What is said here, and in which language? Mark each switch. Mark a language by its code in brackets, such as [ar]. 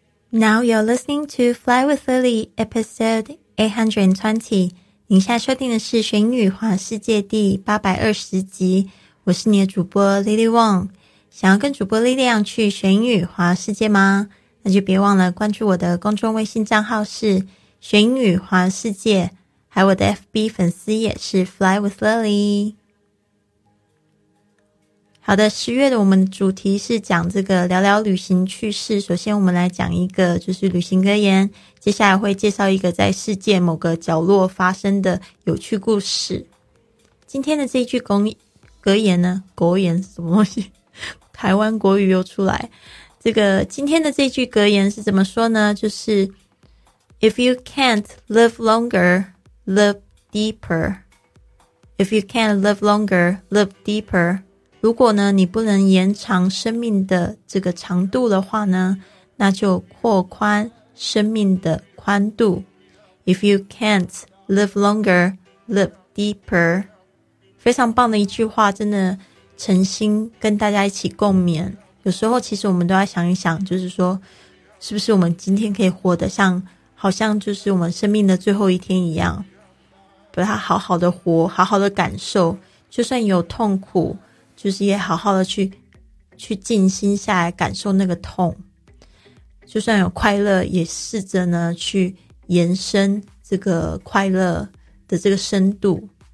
[en] Now you're listening to Fly with Lily, episode 820. [zh] 你现在收听的是《玄语环世界》第820集。我是你的主播 Lily Wong。想要跟主播 Lily 去《玄语环世界》吗？那就别忘了关注我的公众微信账号是《玄语环世界》，还有我的 FB 粉丝也是 Fly with Lily。好的，十月的我们主题是讲这个聊聊旅行趣事。首先我们来讲一个就是旅行格言，接下来会介绍一个在世界某个角落发生的有趣故事。今天的这一句格言是什么东西？台湾国语又出来。这个今天的这句格言是怎么说呢？ [en] 就是 If you can't live longer, live deeper. If you can't live longer, live deeper. [zh] 如果呢，你不能延长生命的这个长度的话呢，那就扩宽生命的宽度。 [en] If you can't live longer, live deeper. [zh] 非常棒的一句话，真的诚心跟大家一起共勉。有时候其实我们都要想一想，就是说，是不是我们今天可以活得像，好像就是我们生命的最后一天一样，把它好好的活，好好的感受，就算有痛苦就是也好好的去静心下来感受那个痛，就算有快乐也试着呢去延伸这个快乐的这个深度。